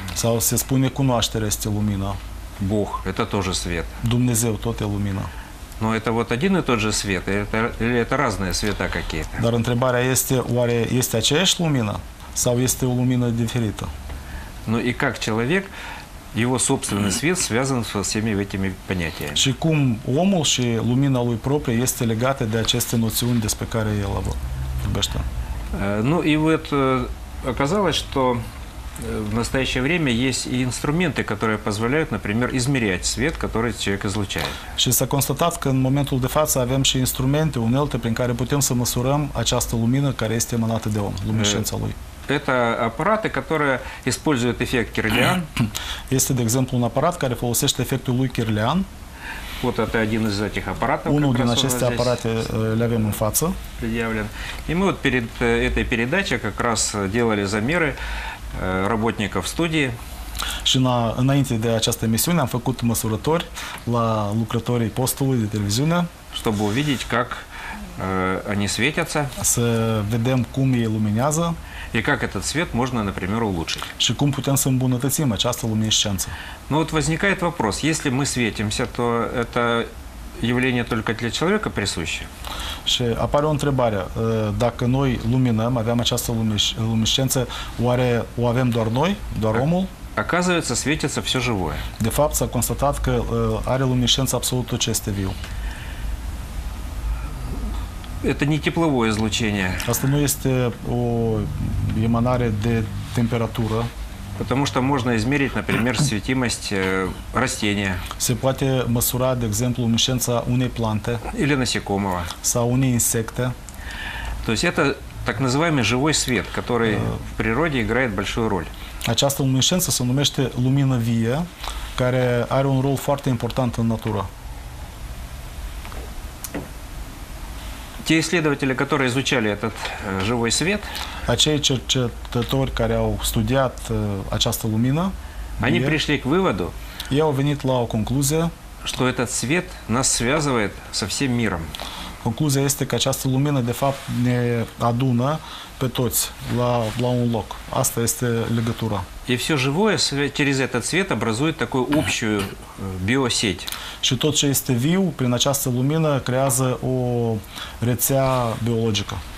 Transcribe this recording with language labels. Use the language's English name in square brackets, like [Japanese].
[Romanian] Sau se spune că cunoașterea este lumina. [Russian] Бог это тоже свет. [Romanian] Dumnezeu tot e lumina. [Russian] Но это вот один и тот же свет, или это разные света какие-то? [Romanian] Dar întrebarea este, oare este aceeași lumină sau este o lumină diferită? [Russian] Ну и как человек, его собственный свет связан со всеми этими понятиями? [Romanian] Și cum omul și lumina lui proprie este legată de aceste noțiuni despre care el vorbește? [Russian] Ну и вот оказалось, что в настоящее время есть и инструменты, которые позволяют, например, измерять свет, который человек излучает. [Romanian] Și s-a constatat că în momentul de față avem și instrumente, unelte, prin care putem să măsurăm această lumină care este emanată de om, lumișența lui. [Russian] Это аппараты, которые используют эффект Кирлиан. [Romanian] Este, de exemplu, un aparat care folosește efectul lui Кирлиан. [Russian] Вот это один из этих аппаратов. [Romanian] Unul din aceste aparate le avem în față. [Russian] Предъявлен. И мы вот перед этой передачей как раз делали замеры работников студии. [Romanian] Și înainte de această emisiune am făcut măsurători la lucrătorii postului de televiziune. [Russian] Чтобы увидеть, как они светятся. [Romanian] Să vedem cum ei luminează. [Russian] И как этот свет можно, например, улучшить. [Romanian] Și cum putem să îmbunătățim această luminescență. [Russian] Ну вот возникает вопрос, если мы светимся, то это явление только для человека присуще? [Romanian] Și apare o întrebare. Dacă noi luminăm, avem această luminescență, oare o avem doar noi, doar omul? [Russian] Оказывается, светится все живое. [Romanian] De fapt, s-a constatat că are luminescență absolut tot ce este viu. [Russian] Это не тепловое излучение. [Romanian] Asta nu este o emanare de temperatură. [Russian] Потому что можно измерить, например, светимость растения. [Romanian] Se poate măsura, de exemplu, luminescența unei plante. [Russian] Или насекомого. [Romanian] Sau unei insecte. [Russian] То есть это так называемый живой свет, который в природе играет большую роль. [Romanian] Această luminescență se numește lumină vie, care are un rol foarte important în natură. [Russian] Те исследователи, которые изучали этот живой свет, [Romanian] acei cercetători care au studiat această lumină, [Russian] они пришли к выводу, [Romanian] и au venit la o concluzie, [Russian] что этот свет нас связывает со всем миром. [Romanian] Concluzia este că această lumină, de fapt, ne adună pe toți la un loc. Asta este legătura. [Russian] И все живое через этот свет образует такую общую биосеть. [Romanian] Și tot ce este viu, prin această lumină, creează o rețea biologică.